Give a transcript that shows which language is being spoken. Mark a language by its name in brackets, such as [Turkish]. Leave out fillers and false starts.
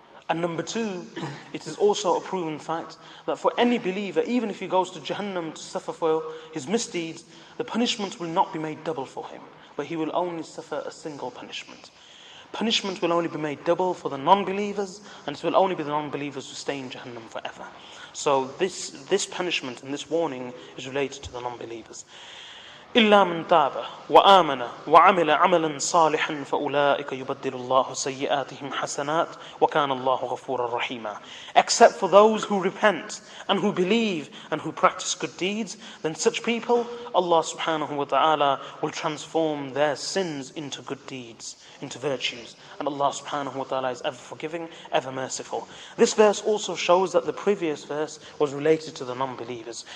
[English] And number two, it is also a proven fact that for any believer, even if he goes to Jahannam to suffer for his misdeeds, the punishment will not be made double for him. But he will only suffer a single punishment. Punishment will only be made double for the non-believers, and it will only be the non-believers who stay in Jahannam forever. So this punishment and this warning is related to the non-believers. [Arabic] إلا من تاب وآمن وعمل عملا صالحا فأولئك يبدل الله سيئاتهم حسنات وكان الله غفورا رحيما. [English] Except for those who repent and who believe and who practice good deeds, then such people, Allah subhanahu wa ta'ala will transform their sins into good deeds, into virtues. And Allah subhanahu wa ta'ala is ever forgiving, ever merciful. This verse also shows that the previous verse was related to the non-believers.